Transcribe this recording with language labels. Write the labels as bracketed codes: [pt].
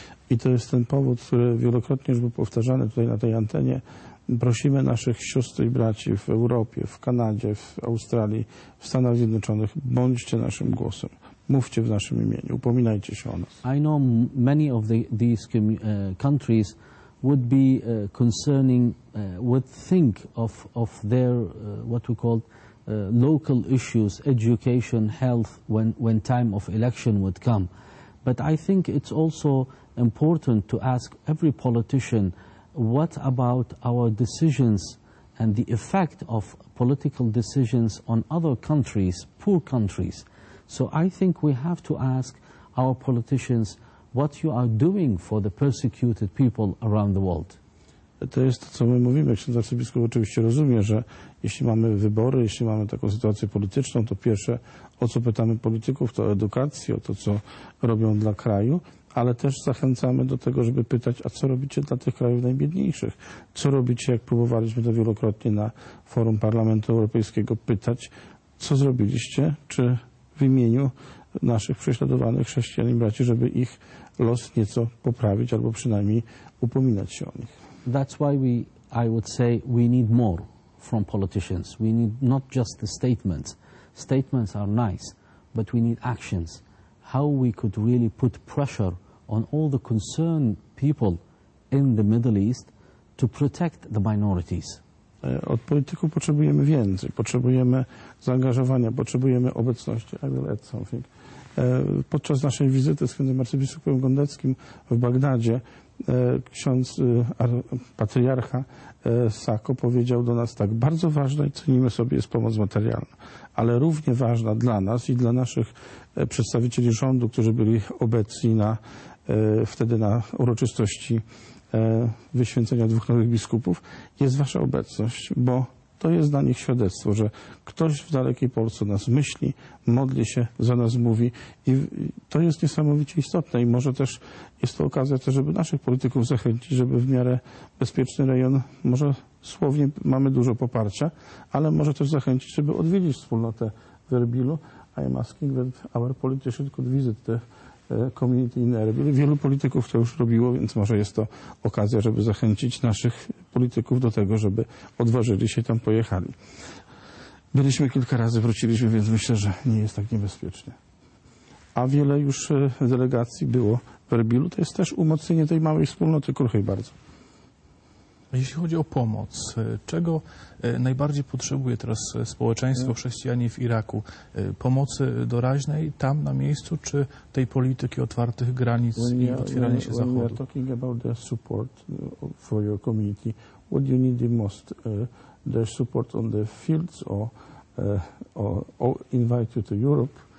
[pl] I to jest ten powód, który wielokrotnie już był powtarzany tutaj na tej antenie. Prosimy naszych sióstr i braci w Europie, w Kanadzie, w Australii, w Stanach Zjednoczonych, bądźcie naszym głosem. Mówcie w naszym imieniu, upominajcie się o nas. [en] I know many of these countries would be concerning, would think of their, what we call, local issues, education, health, when time of election would come. But I think it's also important to ask every politician, what about our decisions and the effect of political decisions on other countries, poor countries? So I think we have to ask our politicians what you are doing for the persecuted people around the world. [pl] To jest to, co my mówimy. Ksiądz arcybiskup oczywiście rozumie, że jeśli mamy wybory, jeśli mamy taką sytuację polityczną, to pierwsze, o co pytamy polityków, to o edukację, o to, co robią dla kraju. Ale też zachęcamy do tego, żeby pytać, a co robicie dla tych krajów najbiedniejszych? Co robicie, jak próbowaliśmy to wielokrotnie na forum Parlamentu Europejskiego pytać, co zrobiliście, czy w imieniu naszych prześladowanych chrześcijan i braci, żeby ich los nieco poprawić albo przynajmniej upominać się o nich. [en] That's why I would say we need more from politicians. We need not just the statements. Statements are nice, but we need actions. How we could really put pressure on all the concerned people in the Middle East to protect the minorities. [pl] Od polityków potrzebujemy więcej, potrzebujemy zaangażowania, potrzebujemy obecności. [en] I will add something. [pl] Podczas naszej wizyty z świętym arcybiskupem Gondeckim w Bagdadzie ksiądz patriarcha Sako powiedział do nas tak, bardzo ważna i cenimy sobie jest pomoc materialna, ale równie ważna dla nas i dla naszych przedstawicieli rządu, którzy byli obecni wtedy na uroczystości wyświęcenia dwóch nowych biskupów, jest wasza obecność, bo to jest dla nich świadectwo, że ktoś w dalekiej Polsce nas myśli, modli się, za nas mówi i to jest niesamowicie istotne i może też jest to okazja też, żeby naszych polityków zachęcić, żeby w miarę bezpieczny rejon, może słownie mamy dużo poparcia, ale może też zachęcić, żeby odwiedzić wspólnotę w Erbilu. [en] I am asking that our politicians could visit the community in Erbil. [pl] Wielu polityków to już robiło, więc może jest to okazja, żeby zachęcić naszych polityków do tego, żeby odważyli się tam pojechali. Byliśmy kilka razy, wróciliśmy, więc myślę, że nie jest tak niebezpiecznie. A wiele już delegacji było w Erbilu. To jest też umocnienie tej małej wspólnoty kruchej bardzo. Jeśli chodzi o pomoc, czego najbardziej potrzebuje teraz społeczeństwo chrześcijanie w Iraku? Pomocy doraźnej tam na miejscu, czy tej polityki otwartych granic i otwierania się Zachodu? [en] When we are talking about the support for your community, what do you need the most? The support on the fields or invite you to Europe?